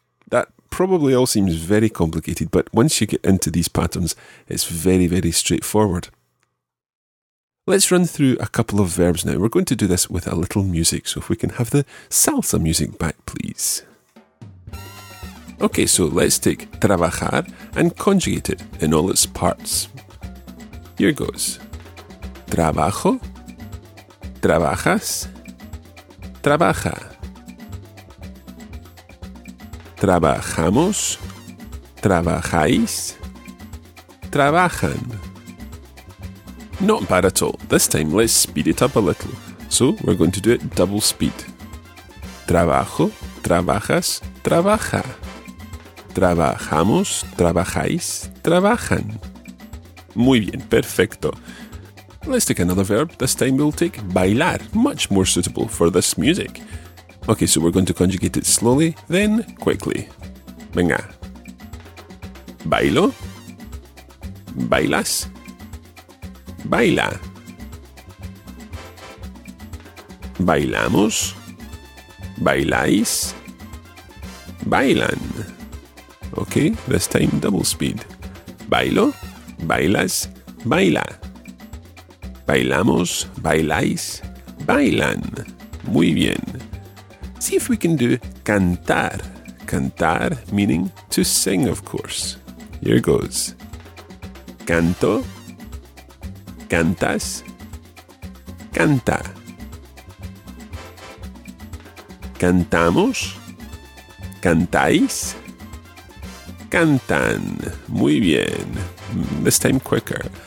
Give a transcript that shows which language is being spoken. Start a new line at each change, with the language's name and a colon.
English: That probably all seems very complicated, but once you get into these patterns, it's very, very straightforward. Let's run through a couple of verbs now. We're going to do this with a little music, so if we can have the salsa music back, please. Okay, so let's take trabajar and conjugate it in all its parts. Here goes.
Spanish: Trabajo, trabajas, trabaja. Trabajamos, trabajáis, trabajan.
English: Not bad at all. This time let's speed it up a little. So we're going to do it double speed.
Spanish: Trabajo, trabajas, trabaja. Trabajamos, trabajáis, trabajan. Muy bien, perfecto.
English: Let's take another verb. This time we'll take bailar, much more suitable for this music. Okay, so we're going to conjugate it slowly, then quickly.
Spanish: Venga. Bailo. Bailas. Baila. Bailamos. Bailáis. Bailan.
English: Okay, this time double speed.
Spanish: Bailo. Bailas, baila. Bailamos, bailáis, bailan. Muy bien.
English: See if we can do cantar. Cantar meaning to sing, of course. Here goes.
Spanish: Canto, cantas, canta. Cantamos, cantáis, cantan. Muy bien.
English: This time quicker.